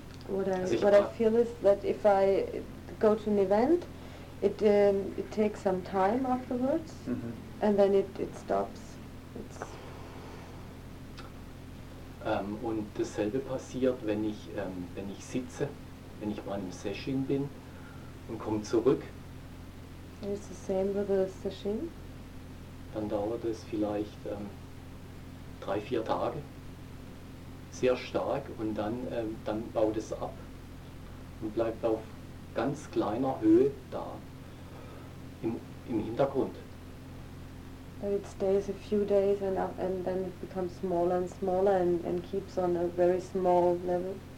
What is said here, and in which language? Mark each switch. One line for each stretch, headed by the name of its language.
English: I feel is that if I go to an event, it takes some time afterwards, and then it stops. It's
German: Und dasselbe passiert, wenn ich, wenn ich sitze, wenn ich mal im Session bin und komme zurück.
English: And it's the same with the session?
German: Dann dauert es vielleicht 3-4 Tage. Sehr stark, und dann, dann baut es ab und bleibt auf ganz kleiner Höhe da, im Hintergrund.
English: And it stays a few days and then it becomes smaller and smaller and keeps on a very small level.